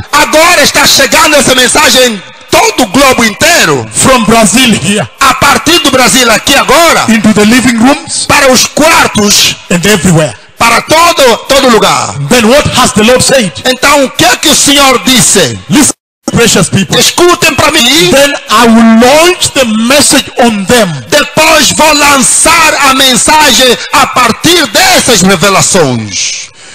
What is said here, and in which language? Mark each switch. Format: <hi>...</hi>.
<pt>Agora está chegando essa mensagem todo o globo inteiro.</pt> <en>From Brazil here.</en> <pt>A partir do Brasil aqui agora.</pt> <en>Into the living rooms.</en> <pt>Para os quartos.</pt> <en>And everywhere.</en> <pt>Para todo lugar.</pt> <en>Then what has the Lord said?</en> <pt>Então o que é que o Senhor disse?</pt> <en>Listen, precious people.</en> <pt>Escutem para mim.</pt> <en>Then I will launch the message on them.</en> <pt>Depois vou lançar a mensagem a partir dessas revelações.</pt>